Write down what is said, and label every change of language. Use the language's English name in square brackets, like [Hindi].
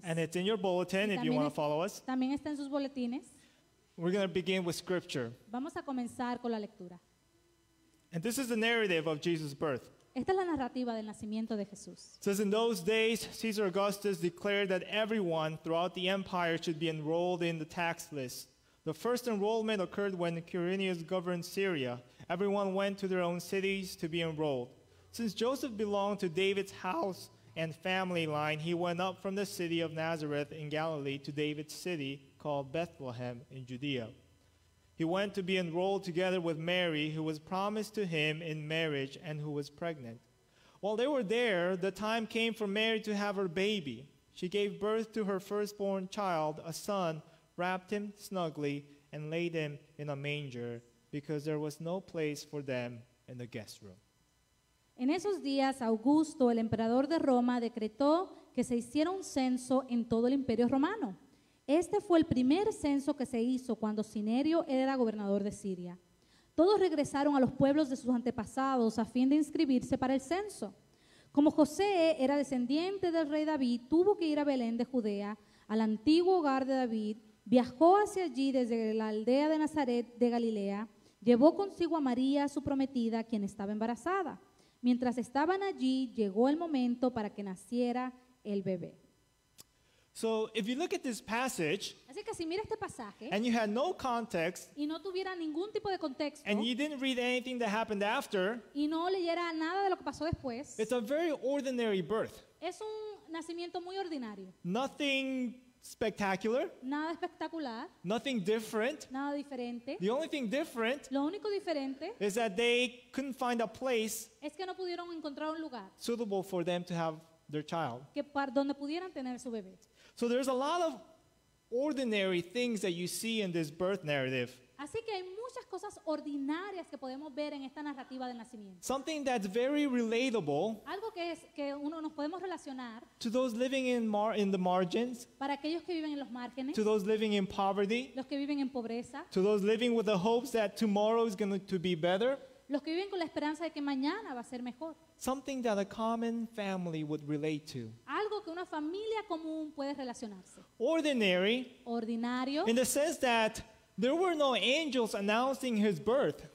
[English] And it's in your bulletin if you want to follow us. [Spanish] También está en sus boletines. [English] We're going to begin with scripture. [Spanish] Vamos a comenzar con la lectura. [English] And this is the narrative of Jesus' birth. [Spanish] Esta es la narrativa del nacimiento de Jesús. [English] It says, in those days, Caesar Augustus declared that everyone throughout the empire should be enrolled in the tax list. The first enrollment occurred when Quirinius governed Syria. Everyone went to their own cities to be enrolled. Since Joseph belonged to David's house and family line, he went up from the city of Nazareth in Galilee to David's city called Bethlehem in Judea. He went to be enrolled together with Mary, who was promised to him in marriage and who was pregnant. While they were there, the time came for Mary to have her baby. She gave birth to her firstborn child, a son, wrapped him snugly, and laid him in a manger because there was no place for them in the guest room. [Spanish] En esos días, Augusto, el emperador de Roma, decretó que se hiciera un censo en todo el imperio romano. Este fue el primer censo que se hizo cuando Cinerio era gobernador de Siria. Todos regresaron a los pueblos de sus antepasados a fin de inscribirse para el censo. Como José era descendiente del rey David, tuvo que ir a Belén de Judea, al antiguo hogar de David, viajó hacia allí desde la aldea de Nazaret de Galilea, llevó consigo a María, su prometida, quien estaba embarazada. Mientras estaban allí, llegó el momento para que naciera el bebé. [English] So if you look at this passage, [Spanish] así que si mira este pasaje, [English] and you had no context, [Spanish] y no tuviera ningún tipo de contexto, [English] and you didn't read anything that happened after, [Spanish] y no leyera nada de lo que pasó después, [English] it's a very ordinary birth. [Spanish] Es un nacimiento muy ordinario. [English] Nothing spectacular. [Spanish] Nada espectacular. [English] Nothing different. [Spanish] Nada diferente. [English] The only thing different, [Spanish] lo único diferente, [English] is that they couldn't find a place, [Spanish] es que no pudieron encontrar un lugar, [English] suitable for them to have their child. [Spanish] Que para donde pudieran tener su bebé. [English] So there's a lot of ordinary things that you see in this birth narrative. [Spanish] Así que hay muchas cosas ordinarias que podemos ver en esta narrativa del nacimiento. [English] Something that's very relatable. [Spanish] Algo que es que uno nos podemos relacionar. [English] To those living in the margins. [Spanish] Para aquellos que viven en los márgenes. [English] To those living in poverty. [Spanish] Los que viven en pobreza. [English] To those living with the hopes that tomorrow is going to be better. [Spanish] Los que viven con la esperanza de que mañana va a ser mejor. [English] Something that a common family would relate to. [Spanish] Algo que una familia común puede relacionarse. [English] Ordinary. [Spanish] Ordinario. [English] In the sense that there were no angels announcing his birth.